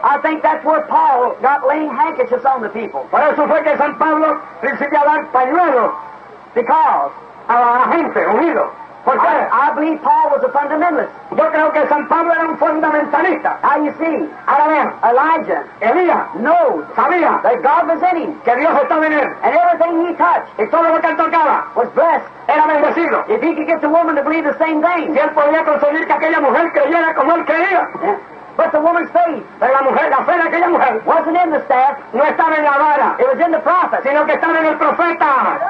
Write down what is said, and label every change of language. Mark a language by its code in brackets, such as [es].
[en] I think that's where Paul got laying handkerchiefs on the people. [es] Por eso fue que San Pablo principió a dar pañuelos. [en] Because [es] a la gente unido. ¿Por qué? [en] I believe Paul was a fundamentalist. [es] Yo creo que San Pablo era un fundamentalista. [en] Now you see, [es] ahora ven, [en] Elijah, [es] Elías, [en] knows, [es] sabía, [en] that God was in him, [es] que Dios estaba en él, [en] and everything he touched, [es] y todo lo que él tocaba, [en] was blessed, [es] era bendecido. [en] If he could get the woman to believe the same thing, [es] si él podía conseguir que aquella mujer creyera como él creía. [en] Yeah. But the woman's faith, [es] pero la mujer, la fe de aquella mujer, [en] wasn't in the staff, [es] no estaba en la vara, [en] it was in the prophet, [es] sino que estaba en el profeta.